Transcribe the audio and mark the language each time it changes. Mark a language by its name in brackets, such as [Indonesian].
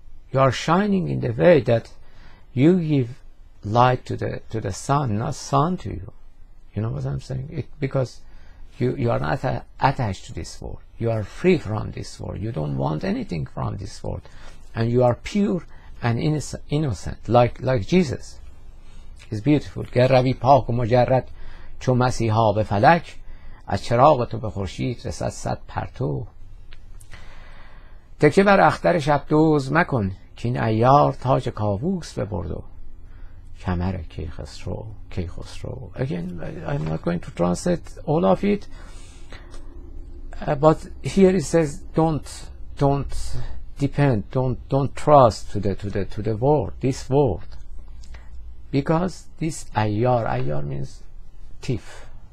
[English] You are shining in the way that you give light to the sun, not sun to you. You know what I'm saying? Because you are not attached to this world. You are free from this world. You don't want anything from this world. And you are pure and innocent, like Jesus. It's beautiful. [Persian] Garavi paak mujarrad cho masiha be falak. از چراغ تو به خورشید رسد صد پرتو. تکیه بر اختر شب دوز مکن، کین عیار تاج کاووس ببرد و کمر کیخسرو. [English] Again, I'm not going to translate all of it, but here it says don't depend, don't trust to the world, this world, because this عیار means thief.